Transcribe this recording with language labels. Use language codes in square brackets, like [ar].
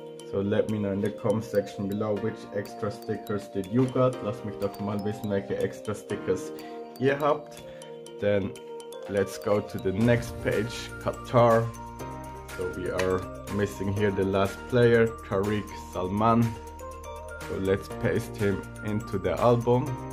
[en] So let me know in the comment section below, which extra stickers did you got? [de] Lasst mich doch mal wissen, welche extra stickers ihr habt. [en] Then let's go to the next page, Qatar. So we are missing here the last player, Tariq Salman. So let's paste him into the album.